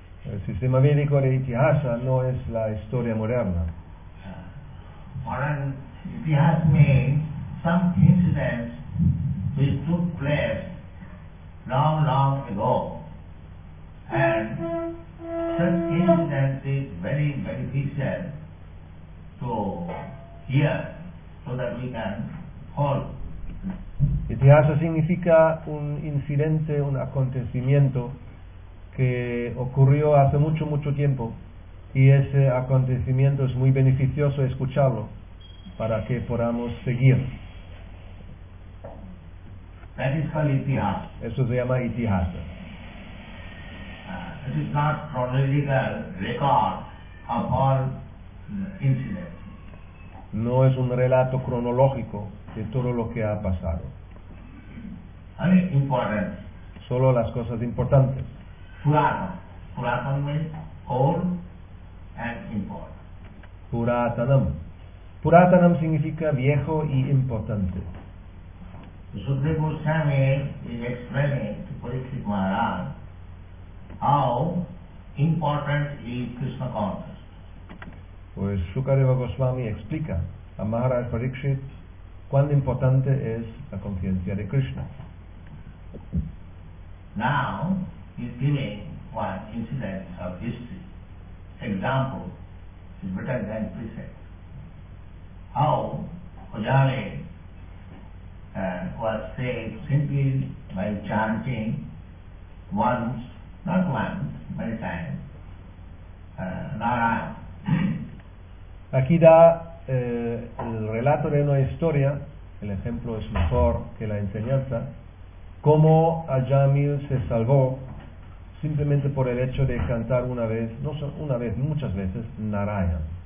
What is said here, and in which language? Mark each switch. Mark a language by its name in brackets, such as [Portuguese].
[Spanish] El sistema védico de Itihasa no es la historia moderna. [English] Modern Itihasa means some incidents which took place long ago, and such things as the very, very detail to hear, so that we can hold. [Spanish] Itihasa significa un incidente, un acontecimiento que ocurrió hace mucho, mucho tiempo, y ese acontecimiento es muy beneficioso escucharlo para que podamos seguir. [English] That is called itihasa. [Spanish] Eso se llama itihasa. [English] It is not chronological record of all incidents. [Spanish] No es un relato cronológico de todo lo que ha pasado. [English] Only important. [Spanish] Solo las cosas importantes. [English] Puratan. Puratan means old and important. [Spanish] Puratanam. Puratanam significa viejo y importante. [English] Sukadeva Goswami is explaining to Parikshit Maharaj how important is Krishna consciousness. [Spanish] Pues Sukadeva Goswami explica a Maharaj Parikshit cuán importante es la conciencia de Krishna. [English] Now he is giving one incident of history. Example is better than precept. How Kojale was saved simply by chanting once, not once, many times, Narayan. [Spanish] Aquí da el relato de una historia, el ejemplo es mejor que la enseñanza, cómo Ajamil se salvó simplemente por el hecho de cantar una vez, no solo una vez, muchas veces, Narayan.